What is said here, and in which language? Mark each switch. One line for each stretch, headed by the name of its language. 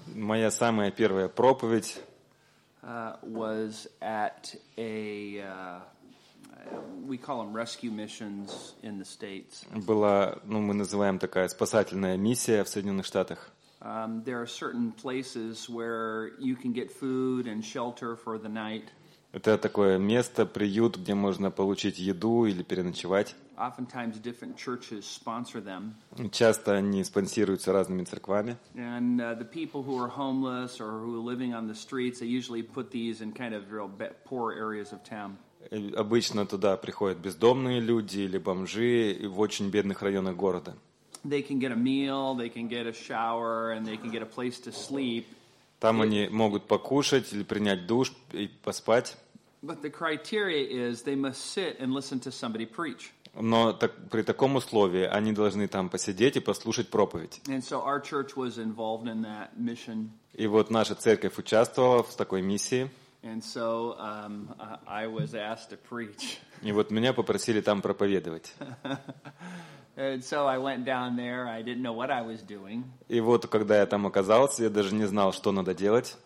Russian: Моя самая первая проповедь.
English: Was at a we call them rescue missions in the States.
Russian: Была, ну мы называем такая спасательная миссия в Соединенных Штатах.
English: There are certain places where you can get food and shelter for the night.
Russian: Это такое место, приют, где можно получить еду или переночевать.
English: Oftentimes different churches sponsor them.
Russian: Часто они спонсируются разными церквами.
English: And the people who are homeless or who are living on the streets, they usually put these in kind of real poor areas of town.
Russian: Обычно туда приходят бездомные люди или бомжи в очень бедных районах города.
English: They can get a meal, they can get a shower, and they can get a place to sleep.
Russian: Там они могут покушать или принять душ и поспать.
English: But the criteria is they must sit and listen to somebody preach.
Russian: Но так, при таком условии они должны там посидеть и послушать проповедь.
English: And so our church was involved in that mission.
Russian: И вот наша церковь участвовала в такой миссии.
English: And so, I was asked to preach.
Russian: И вот меня попросили там проповедовать.
English: And so I went down there. I didn't know what I was doing.
Russian: И вот когда я там оказался, я даже не знал, что надо делать.